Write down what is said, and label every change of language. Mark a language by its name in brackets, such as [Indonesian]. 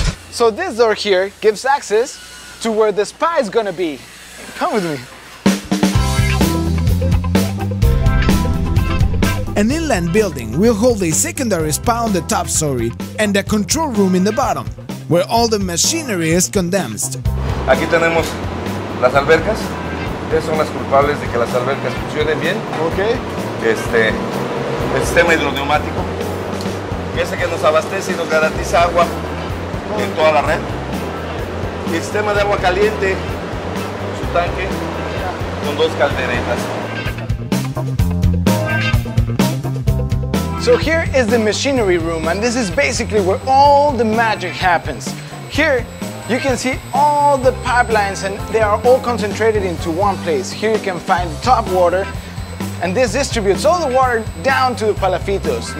[English] So this door here gives access to where the spa is gonna be. Come with me. An inland building will hold a secondary spa on the top story and a control room in the bottom, where all the machinery is condensed. [Spanish] Aquí tenemos las albercas. Estas son las culpables de que las albercas funcionen bien. [English] Okay. [Spanish] El sistema hidroneumático, que es el que nos abastece y nos garantiza agua en toda la red. El sistema de agua caliente, su tanque, con dos calderetas. [English] So here is the machinery room, and this is basically where all the magic happens. Here, you can see all the pipelines, and they are all concentrated into one place. Here you can find top water, and this distributes all the water down to the PALAFITOS.